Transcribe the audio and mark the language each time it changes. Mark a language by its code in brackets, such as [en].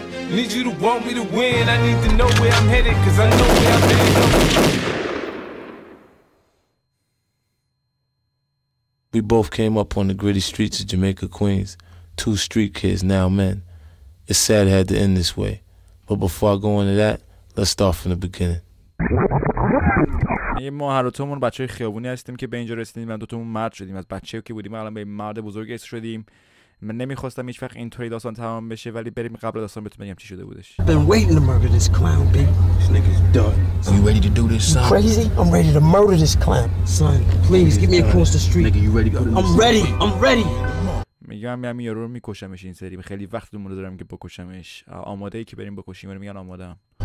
[en] Need you to want me to win. I need to know where I'm headed, 'cause I know where I've been. We both came up on the gritty streets of Jamaica, Queens. Two street kids, now men. It's sad it had to end this way. But before I go into that, let's start from the beginning. [fa] ما هر دوتامون بچه های خیابونی هستیم که به اینجا رسیدیم. من دوتامون مرد شدیم. از بچه که بودیم الان به مرد بزرگ شدیم. من نمیخواستم هیچ وقت اینطوری داستان تمام بشه، ولی بریم قبل داستان بهتون بگم چی شده بودش. [en] Been waiting to murder this clown, B. This nigga's done. Are you ready to do this, son? You crazy? I'm ready to murder this clown, son. Please, get me across the street. Nigga, you ready to put this? I'm ready. [fa] میگم میام یارو رو میکشمش این سری. خیلی وقت دنبال دارم که بکشمش. آماده ای که بریم بکشیم؟ من میگم آماده ام.